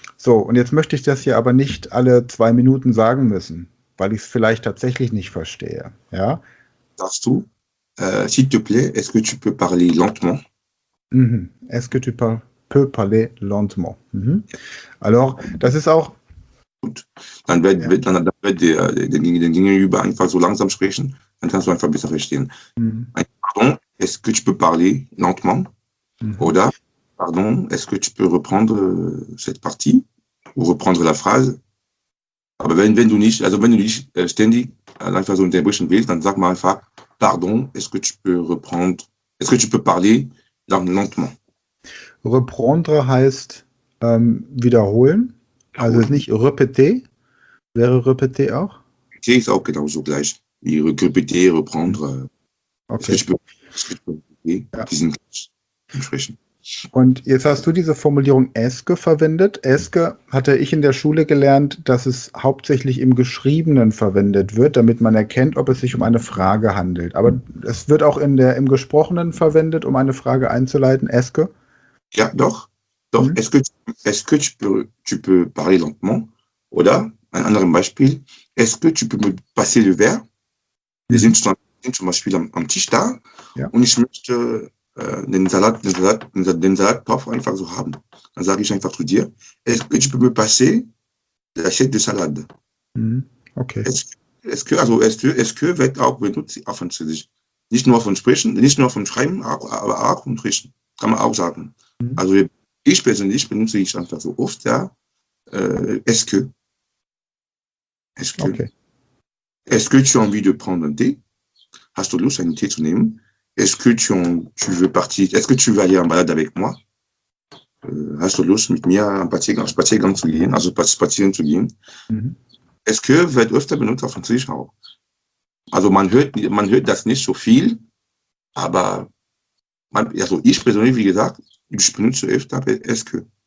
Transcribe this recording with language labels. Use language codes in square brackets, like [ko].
[de] So, und jetzt möchte ich das hier aber nicht alle 2 Minuten sagen müssen, weil ich es vielleicht tatsächlich nicht verstehe. Ja. Darfst du, [fr] s'il te plaît, est-ce que tu peux parler lentement? Est-ce que tu peux parler lentement? Alors, [de] das ist auch. Dann wird der über einfach so langsam sprechen, dann kannst du einfach besser verstehen. [fr] Pardon, est-ce que tu peux parler lentement? [de] Oder, [fr] pardon, est-ce que tu peux reprendre cette partie ou reprendre la phrase? [de] Aber wenn du nicht, also wenn du nicht ständig einfach so unterbrechen willst, dann sag mal einfach, [fr] pardon, est-ce que tu peux reprendre, est-ce que tu peux parler lentement? [de] Reprendre heißt Wiederholen, also Wiederholen. nicht repeter, wäre repeter auch. Okay, ist auch genauso gleich. Die recuperer, reprendre. Es Okay. gibt die sind entsprechend. Und jetzt hast du diese Formulierung Eske verwendet. Eske hatte ich in der Schule gelernt, dass es hauptsächlich im Geschriebenen verwendet wird, damit man erkennt, ob es sich um eine Frage handelt. Aber es wird auch im Gesprochenen verwendet, um eine Frage einzuleiten. Eske? Ja, doch. Doch, [fr] est-ce que tu peux parler lentement? [de] Oder ein anderes Beispiel, [fr] est-ce que tu peux me passer le verre? [de] Wir sind zum Beispiel am Tisch da und ich möchte den Salat drauf einfach so haben. Dann sage ich einfach zu dir, [fr] est-ce que tu peux me passer l'assiette de salade? [de] Okay. Est-ce que wird auch benutzt auf Französisch? Nicht nur von Sprechen, nicht nur von Schreiben, aber auch von Sprechen. Kann man auch sagen. Also ich persönlich benutze ich einfach so oft, ja. Okay. [fr] Est-ce que tu as envie de prendre un thé? [de] Hast du Lust, einen Tee zu nehmen? [fr] Est-ce que tu veux aller en balade avec moi? [de] Hast du Lust, mit mir einen Spaziergang zu gehen, also spazieren zu gehen? Est-ce que wird öfter benutzt auf Französisch auch? Also man hört das nicht so viel, aber also ich persönlich, wie gesagt, ich benutze öfter Eske.